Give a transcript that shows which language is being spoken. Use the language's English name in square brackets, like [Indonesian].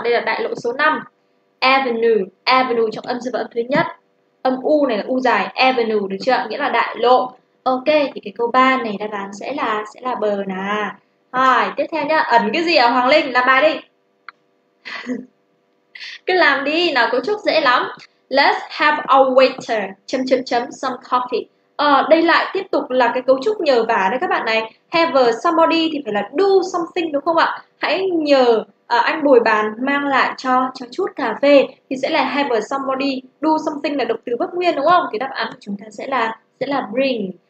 [Vietnamese] Đây là đại lộ số 5. Avenue, avenue trong âm dương và âm thứ nhất. Âm u này là u dài, avenue được chưa? Nghĩa là đại lộ. Ok, thì cái câu 3 này đáp án sẽ là bờ nè. Rồi, tiếp theo nhá. Ẩn cái gì ở Hoàng Linh? Làm bài đi. Cứ làm đi, nào, cấu trúc dễ lắm. [English] Let's have our waiter [Vietnamese] chấm chấm chấm [English] some coffee. [Vietnamese] Đây lại tiếp tục là cái cấu trúc nhờ vả đấy các bạn này. [English] Have somebody [Vietnamese] thì phải là [English] do something [Vietnamese] đúng không ạ? Hãy nhờ anh bồi bàn mang lại cho chút cà phê, thì sẽ là [English] have somebody do something [Vietnamese] là động từ bất nguyên đúng không? Thì đáp án của chúng ta sẽ là bring.